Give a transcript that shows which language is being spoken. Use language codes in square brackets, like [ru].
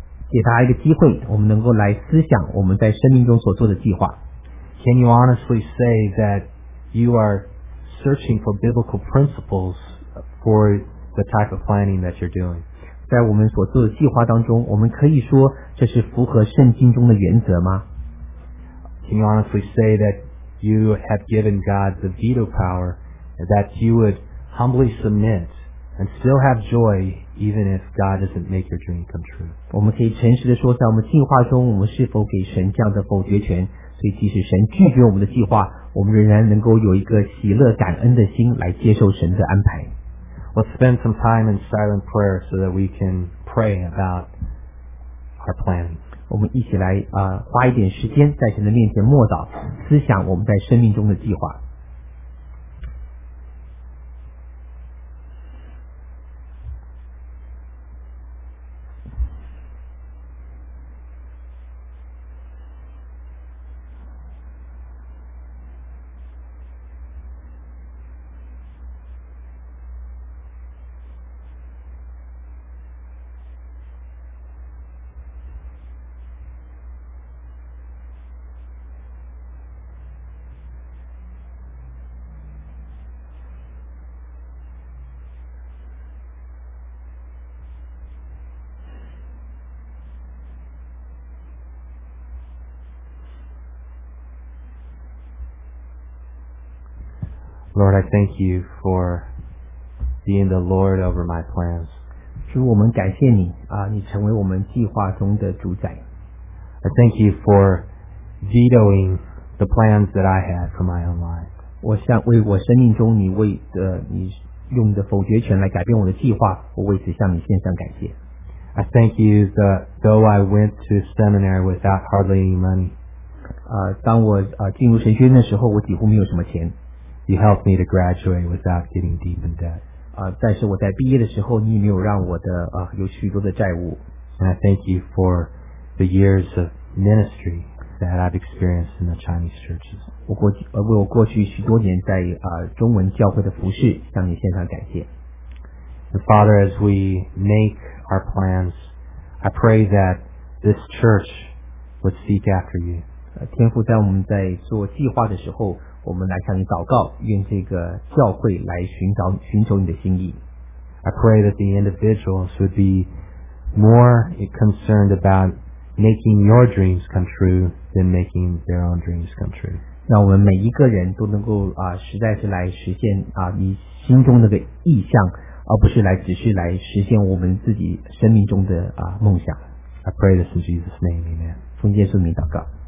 [zh] 给大家一个机会，我们能够来思想我们在生命中所做的计划。 [en] Can you honestly say that you are searching for biblical principles for the type of planning that you're doing? [zh] 在我们所做的计划当中，我们可以说这是符合圣经中的原则吗？ [en] Can you honestly say that you have given God the veto power that you would humbly submit and still have joy even if God doesn't make your dream come true? [zh] 我们可以诚实地说，在我们计划中，我们是否给神这样的否决权？所以即使神拒绝我们的计划，我们仍然能够有一个喜乐感恩的心来接受神的安排。 [en] Let's spend some time in silent prayer so that we can pray about our plan. [zh] 我们一起来花一点时间在神的面前默祷，思想我们在生命中的计划。 [en] Lord, I thank you for being the Lord over my plans. [zh] 主，我们感谢你啊，你成为我们计划中的主宰。 [en] I thank you for vetoing the plans that I had for my own life. [zh] 我向为我生命中你为的你用的否决权来改变我的计划，我为此向你献上感谢。 [en] I thank you that though I went to seminary without hardly any money. [zh] 当我进入神学院的时候，我几乎没有什么钱。 [en] You helped me to graduate without getting deep in debt. [zh] 但是我在毕业的时候，你没有让我的有许多的债务。 [en] And I thank you for the years of ministry that I've experienced in the Chinese churches. [zh] 为我过去许多年在中文教会的服事，向你献上感谢。 [en] And Father, as we make our plans, I pray that this church would seek after you. [zh] 天父，在我们在做计划的时候。我们来向你祷告，愿这个教会来寻求你的心意。 [en] I pray that the individuals would be more concerned about making your dreams come true than making their own dreams come true. [zh] 让我们每一个人都能够实在是来实现你心中那个意向，而不是来只是来实现我们自己生命中的梦想。 [en] I pray this in Jesus' name, Amen. [zh] 奉耶稣名祷告。